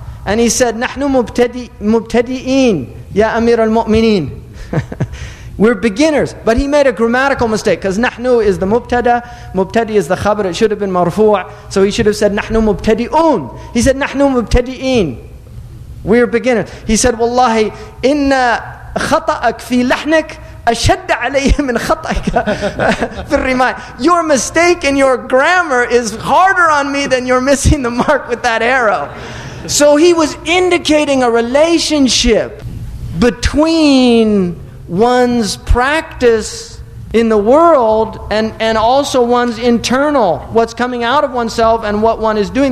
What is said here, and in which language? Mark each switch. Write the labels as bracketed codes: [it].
[en] And he said, [ar] Nahnu mubtadi'een, ya Amir al-Mu'mineen. [en] We're beginners. But he made a grammatical mistake because nahnu is the mubtada. Mubtadi is the khabar. It should have been marfu'. So he should have said [ar] nahnu mubtadi'un. [en] He said [ar] nahnu mubtadi'in. [en] We're beginners. He said, [ar] wallahi, inna khata'ak fi lahnik أشد عليه من خطأك في الرماية. [en] Your mistake in your grammar is harder on me than you're missing the mark with that arrow. So he was indicating a relationship between one's practice in the world and also one's internal, what's coming out of oneself and what one is doing.